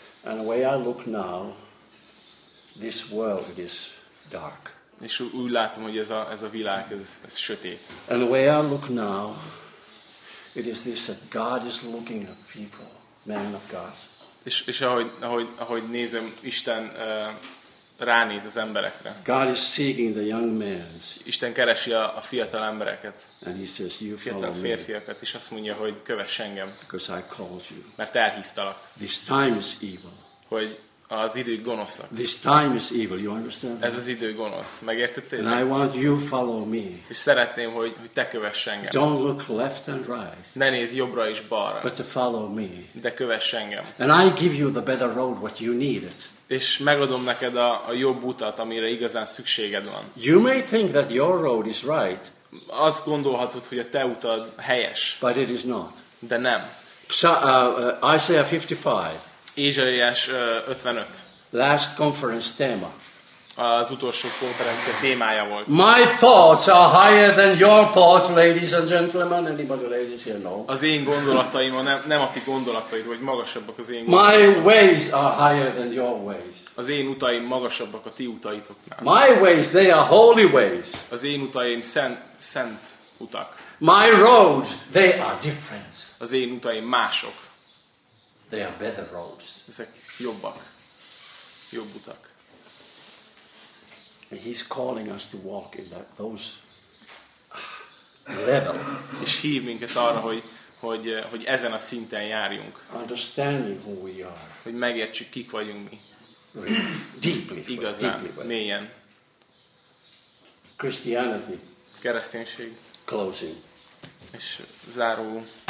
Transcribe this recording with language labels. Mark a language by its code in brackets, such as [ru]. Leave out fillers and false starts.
[en] And the way I look now, this world is dark. [hu] És úgy látom, hogy ez a világ, ez sötét. [en] And the way I look now, it is this that God is looking at people, men of God. [hu] És ahogy nézem, Isten ránéz az emberekre. [en] God is seeking the young men. [hu] Isten keresi a fiatal embereket. [en] And he says, you [hu] fiatal férfiakat, és azt mondja, hogy kövess engem. [en] Because I called you. [hu] Mert elhívtalak. [en] This time is evil. [hu] Hogy az idő gonoszak. [en] This time is evil, you understand? [hu] Ez az idő gonosz, megértettél? [en] And I want you follow me. [hu] És szeretném, hogy te kövess engem. [en] Don't look left and right. [hu] Ne nézz jobbra és balra. [en] But to follow me. [hu] De kövess engem. [en] And I give you the better road, what you need it. [hu] És megadom neked a jobb utat, amire igazán szükséged van. [en] You may think that your road is right. [hu] Azt gondolhatod, hogy a te utad helyes. [en] But it is not. [hu] De nem. [en] Isaiah 55. [hu] Ézsaiás 55. [en] Last conference téma. [hu] Az utolsó konferencia témája volt. [en] My thoughts are higher than your thoughts, ladies and gentlemen. Anybody ladies here know? [hu] Az én gondolataim nem a ti gondolataid, vagy magasabbak az én gondolataim. [en] My ways are higher than your ways. [hu] Az én utaim magasabbak a ti utaitoknál. [en] My ways, they are holy ways. [hu] Az én utaim szent utak. [en] My roads, they are different. [hu] Az én utaim mások. [en] They are better roads. [hu] Ezek jobbak. Jobb utak. [en] And he's calling us to walk in that those level. [hu] És hív minket arra, hogy ezen a szinten járjunk. [en] Understanding who we are. [hu] Hogy megértsük, kik vagyunk mi. [en] Deeply. [hu] Igazán, mélyen. [en] Christianity. [hu] Kereszténység. [en] Closing. [hu] És záró.